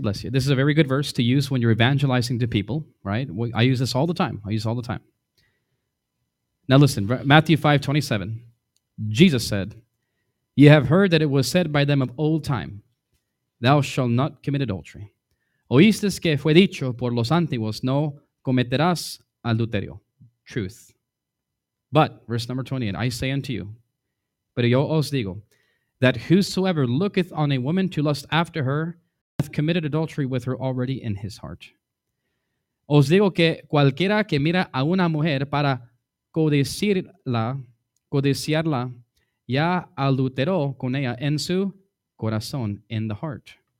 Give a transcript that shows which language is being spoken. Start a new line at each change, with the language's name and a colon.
English: This is a very good verse to use when you're evangelizing to people, right? I use this all the time. Now listen, Matthew 5, 27. Jesus said, "You have heard that it was said by them of old time, thou shalt not commit adultery.
Spanish: Oísteis que fue dicho por los antiguos, no cometerás adulterio."
English: Truth. But, verse number 28, "I say unto you,
Spanish: pero yo os digo,
English: that whosoever looketh on a woman to lust after her, hath committed adultery with her already in his heart.
Spanish: Os digo que cualquiera que mira a una mujer para codiciarla, ya adulteró con ella en su corazón,"
English: in the heart.